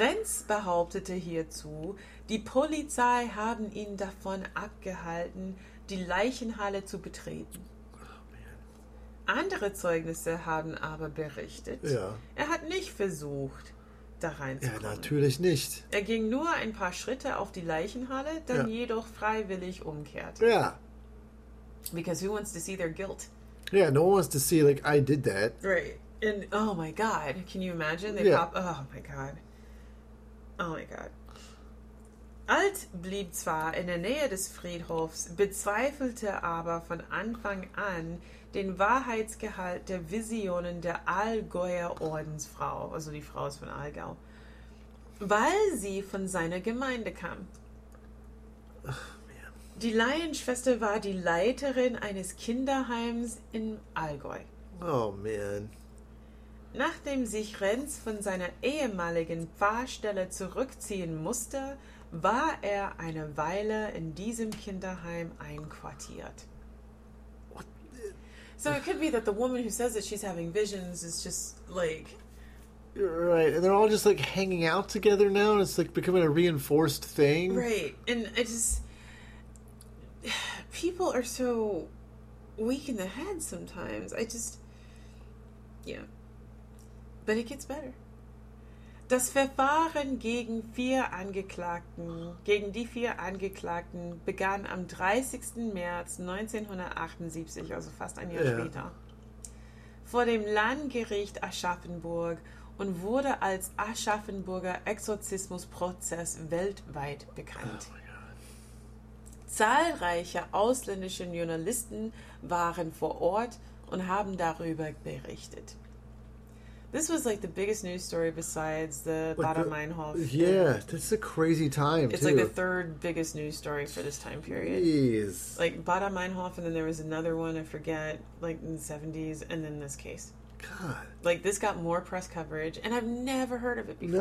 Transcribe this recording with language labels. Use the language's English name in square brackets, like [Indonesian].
[German] Renz behauptete hierzu, die Polizei haben ihn davon abgehalten, die Leichenhalle zu betreten. Oh, man. Andere Zeugnisse haben aber berichtet, ja, er hat nicht versucht, da reinzukommen. Ja, natürlich nicht. Er ging nur ein paar Schritte auf die Leichenhalle, dann ja, jedoch freiwillig umkehrte. Ja. [English] Because who wants to see their guilt? Yeah, no one wants to see, like, I did that. Right. And, oh my God, can you imagine? They yeah, pop, oh my God. Oh my God. [German] Alt blieb zwar in der Nähe des Friedhofs, bezweifelte aber von Anfang an den Wahrheitsgehalt der Visionen der Allgäuer Ordensfrau, also die Frau ist von Allgäu, weil sie von seiner Gemeinde kam. Die Laienschwester war die Leiterin eines Kinderheims in Allgäu. Oh, man. Nachdem sich Renz von seiner ehemaligen Pfarrstelle zurückziehen musste, war er eine Weile in diesem Kinderheim einquartiert. [English] So it could be that the woman who says that she's having visions is just like... Right, and they're all just like hanging out together now, and it's like becoming a reinforced thing. Right, and it just... People are so weak in the head sometimes. I just... Yeah. But it gets better. [German] Das Verfahren gegen die vier Angeklagten begann am 30. März 1978, also fast ein Jahr yeah, später, vor dem Landgericht Aschaffenburg und wurde als Aschaffenburger Exorzismusprozess weltweit bekannt. Oh. Zahlreiche ausländische Journalisten waren vor Ort und haben darüber berichtet. [English] This was like the biggest news story besides the Bader Meinhof. Yeah, that's a crazy time, it's too. It's like the third biggest news story for this time period. Jeez. Like Bader Meinhof, and then there was another one, I forget, like in the 70s, and then this case. God. Like this got more press coverage, and I've never heard of it before.